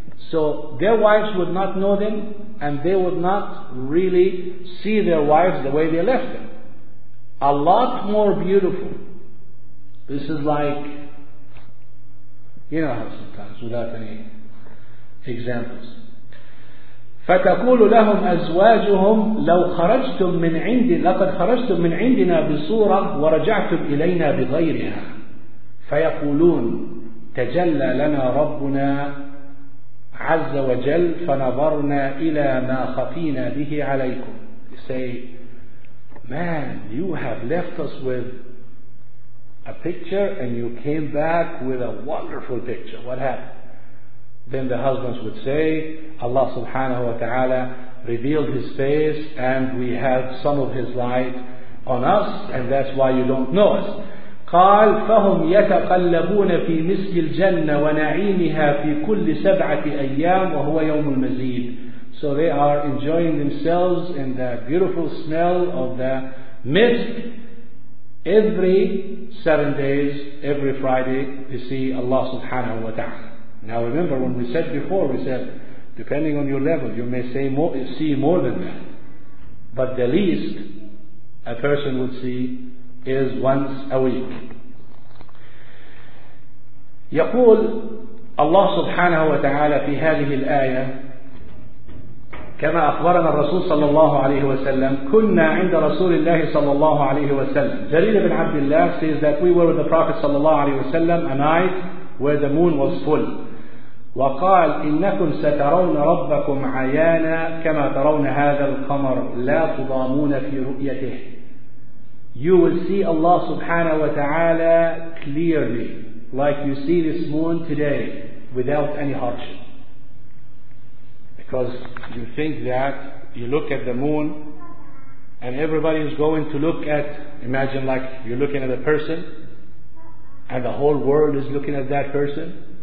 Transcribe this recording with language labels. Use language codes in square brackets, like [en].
[en] So their wives would not know them, and they would not really see their wives the way they left them. A lot more beautiful. This is like, you know how sometimes, without any examples. [ar] فتقول لهم أزواجهم لو خرجتم من عندي لقد خرجتم من عندنا بصورة ورجعتم إلينا بغيرها فيقولون تجلى لنا ربنا عز وجل فنظرنا إلى ما خفينا به عليكم. [en] They say, man, you have left us with a picture and you came back with a wonderful picture. What happened? Then the husbands would say, Allah subhanahu wa ta'ala revealed His face and we have some of His light on us and that's why you don't know us. [ar] قال فهم يتقلبون في مسك الجنة ونعيمها في كل سبعة أيام وهو يوم المزيد. [en] So they are enjoying themselves in the beautiful smell of the mist. Every 7 days, every Friday, they see Allah subhanahu wa ta'ala. Now remember, when we said before, we said, depending on your level, you may say more, see more than that. But the least a person would see is once a week. [ar] يقول الله سبحانه وتعالى في هذه الآية كما أخبرنا الرسول صلى الله عليه وسلم كنا عند رسول الله صلى الله عليه وسلم. [en] جرير بن عبد الله says that we were with the Prophet [ar] صلى الله عليه وسلم [en] a night where the moon was full. [ar] وقال إنكم سترون ربكم عيانا كما ترون هذا القمر لا تضامون في رؤيته. [en] You will see Allah subhanahu wa ta'ala clearly, like you see this moon today, without any hardship. Because you think that you look at the moon and everybody is going to look at, imagine like you're looking at a person and the whole world is looking at that person.